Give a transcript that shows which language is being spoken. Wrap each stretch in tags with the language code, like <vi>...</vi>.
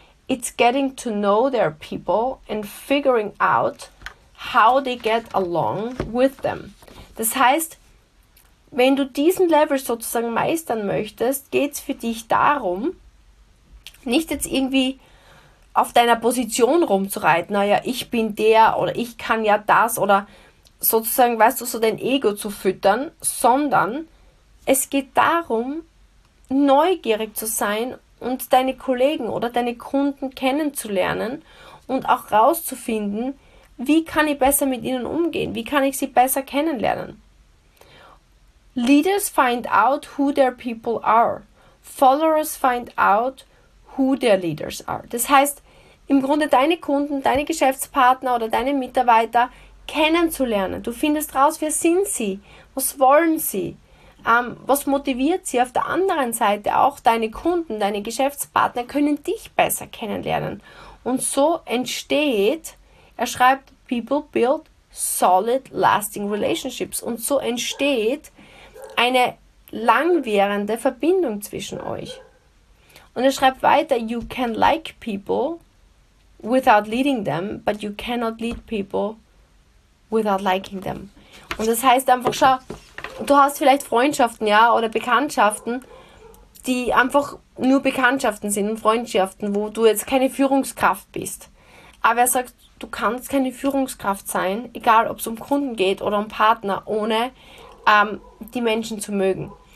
<en>It's getting to know their people and figuring out how they get along with them.</en> <de>Das heißt, wenn du diesen Level sozusagen meistern möchtest, geht es für dich darum, nicht jetzt irgendwie auf deiner Position rumzureiten, naja, ich bin der oder ich kann ja das oder sozusagen, weißt du, so dein Ego zu füttern, sondern es geht darum, neugierig zu sein und deine Kollegen oder deine Kunden kennenzulernen und auch rauszufinden, wie kann ich besser mit ihnen umgehen? Wie kann ich sie besser kennenlernen?</de> <en>Leaders find out who their people are. Followers find out who their leaders are.</en> <de>Das heißt, im Grunde deine Kunden, deine Geschäftspartner oder deine Mitarbeiter kennenzulernen. Du findest raus, wer sind sie? Was wollen sie? Was motiviert sie? Auf der anderen Seite auch deine Kunden, deine Geschäftspartner können dich besser kennenlernen. Und so entsteht, er schreibt,</de> <en>people build solid, lasting relationships.</en> <de>Und so entsteht eine langwährende Verbindung zwischen euch. Und er schreibt weiter,</de> <en>you can like people without leading them, but you cannot lead people without liking them.</en> <de>Und das heißt einfach, schau, du hast vielleicht Freundschaften, ja, oder Bekanntschaften, die einfach nur Bekanntschaften sind und Freundschaften, wo du jetzt keine Führungskraft bist. Aber er sagt, du kannst keine Führungskraft sein, egal ob es um Kunden geht oder um Partner, ohne die Menschen zu mögen.</de>